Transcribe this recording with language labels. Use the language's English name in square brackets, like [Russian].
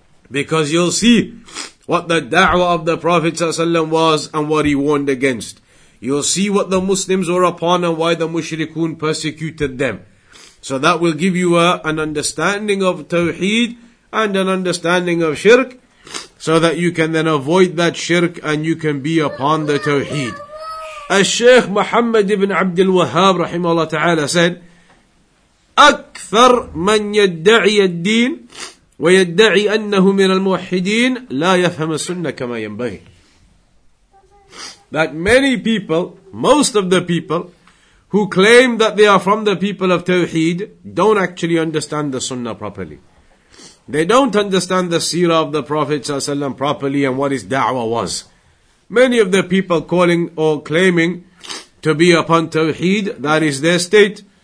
[English] Because you'll see what the da'wah of the Prophet ﷺ was and what he warned against. You'll see what the Muslims were upon and why the mushrikun persecuted them. So that will give you an understanding of tawheed and an understanding of shirk, so that you can then avoid that shirk and you can be upon the tawheed. As Shaykh Muhammad ibn Abdul Wahhab rahimahullah ta'ala said, [Arabic] أكثر من يدعي الدين ويدعي أنه من الموحدين لا يفهم السنة كما ينبغي. [English] That many people, most of the people who claim that they are from the people of Tawheed, don't actually understand the Sunnah properly. They don't understand the seerah of the Prophet ﷺ properly and what his da'wah was. Many of the people calling or claiming to be upon Tawheed, that is their state.